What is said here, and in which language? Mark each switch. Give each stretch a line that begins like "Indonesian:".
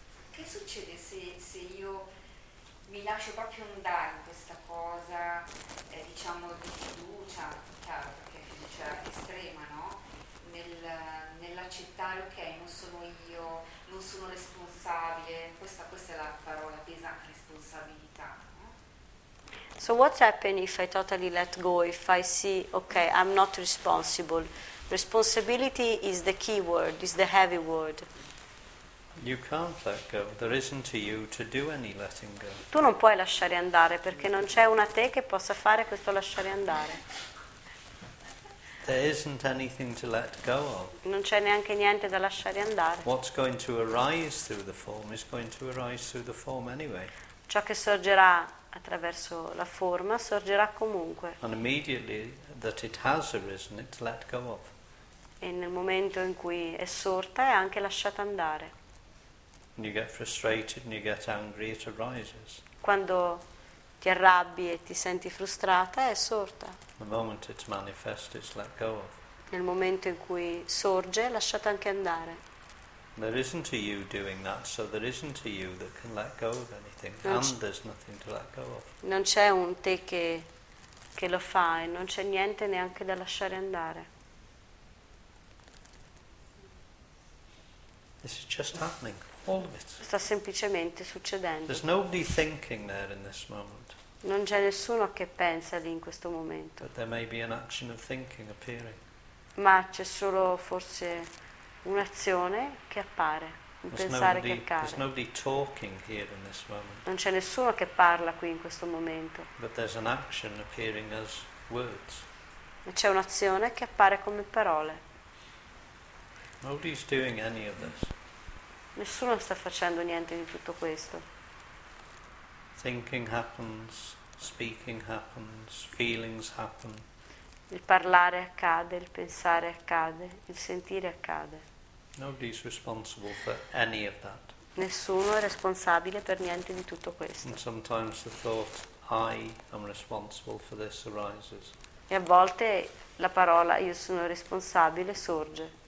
Italian: Che succede se io mi lascio proprio andare in questa cosa, diciamo, di fiducia, chiaro, perché è fiducia estrema, no? Nell'accettare, ok, non sono io, non sono responsabile, questa è la parola pesante, responsabilità, no?
English: So what's happen if I totally let go, if I see, ok, I'm not responsible. Responsibility is the key word, is the heavy word. You can't let go. There isn't a you to do any letting go.
Italian: Tu non puoi lasciare andare perché non c'è una te che possa fare questo lasciare andare.
English: There isn't anything to let go of.
Italian: Non c'è neanche niente da lasciare andare.
English: What's going to arise through the form is going to arise through the form anyway.
Italian: Ciò che sorgerà attraverso la forma sorgerà comunque.
English: And immediately that it has arisen, it's let go of.
Italian: E nel momento in cui è sorta è anche lasciata andare.
English: When you get frustrated and you get angry, it arises.
Italian: Quando ti arrabbi e ti senti frustrata è sorta.
English: The moment it's manifest, it's let go of.
Italian: Nel momento in cui sorge è lasciata anche andare.
English: There isn't a you doing that, so there isn't a you that can let go of anything, and there's nothing to let go of.
Italian: Non c'è un te che lo fa e non c'è niente neanche da lasciare andare.
English: This is just happening, all of it.
Italian: Sta semplicemente succedendo.
English: There's nobody thinking there in this moment.
Italian: Non c'è nessuno che pensa lì in questo momento.
English: But there may be an action of thinking appearing.
Italian: Ma c'è solo forse un'azione che appare, un pensare che accade.
English: There's nobody talking here in this moment.
Italian: Non c'è nessuno che parla qui in questo momento.
English: But there's an action appearing as words.
Italian: Ma c'è un'azione che appare come parole.
English: Nobody's doing any of this.
Italian: Nessuno sta facendo niente di tutto questo.
English: Thinking happens, speaking happens, feelings happen.
Italian: Il parlare accade, il pensare accade, il sentire accade.
English: Nobody's responsible for any of that.
Italian: Nessuno è responsabile per niente di tutto questo.
English: And sometimes the thought, I am responsible for this, arises.
Italian: E a volte la parola io sono responsabile sorge.